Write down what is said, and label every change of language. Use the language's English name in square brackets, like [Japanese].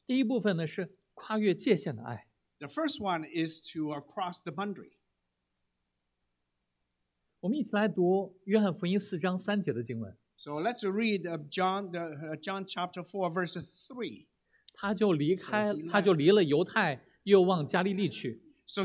[Chinese] 第一部分呢，是跨越界限的爱。 [English] The first one is to cross the boundary. [Chinese] 我们一起来读约翰福音四章三节的经文。 [English] So let's read John chapter 4 verse 3. [Chinese] 他就离了犹太，又往加利利去。 [English] So